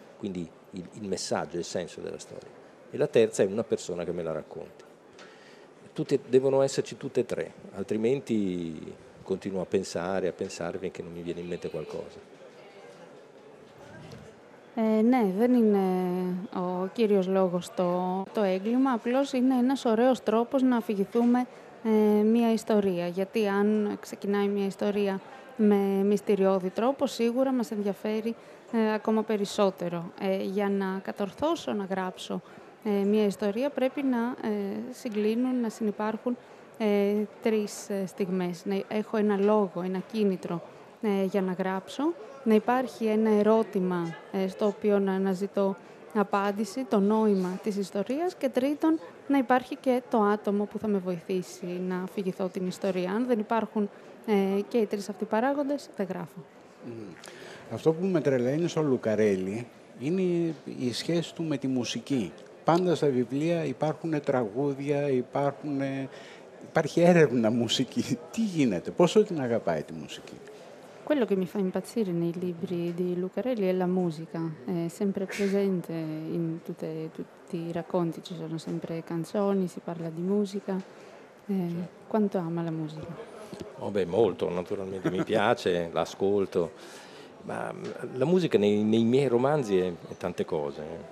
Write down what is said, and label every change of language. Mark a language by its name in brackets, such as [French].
[Italian] Quindi il messaggio, il senso della storia. E la terza è una persona che me la racconti. Devono esserci tutte e tre, altrimenti continuo a pensare finché non mi viene in mente qualcosa. [Greek] Ναι, δεν είναι ο κύριος λόγος το έγκλημα, απλώς είναι ένας ωραίος τρόπος να αφηγηθούμε μια ιστορία. Γιατί αν ξεκινάει μια ιστορία με μυστηριώδη τρόπο, σίγουρα μας ενδιαφέρει ακόμα περισσότερο. Για να κατορθώσω να γράψω μια ιστορία, πρέπει να συγκλίνουν, να συνυπάρχουν τρεις στιγμές. Να έχω ένα λόγο, ένα κίνητρο για να γράψω. Να υπάρχει ένα ερώτημα στο οποίο να αναζητώ απάντηση, το νόημα της ιστορίας. Και τρίτον, να υπάρχει και το άτομο που θα με βοηθήσει να αφηγηθώ την ιστορία. Αν δεν υπάρχουν και οι τρεις αυτοί παράγοντες, δεν γράφω. Αυτό που με τρελαίνει στο Λουκαρέλι είναι η σχέση του με τη μουσική. Πάντα στα βιβλία υπάρχουν τραγούδια, υπάρχει έρευνα μουσική. Τι γίνεται, πόσο την αγαπάει τη μουσική. [Italian] Quello che mi fa impazzire nei libri di Lucarelli è la musica. È sempre presente in tutti i racconti, ci sono sempre canzoni, si parla di musica. Quanto ama la musica? Oh beh, molto, naturalmente mi piace, l'ascolto. Ma la musica nei miei romanzi è tante cose.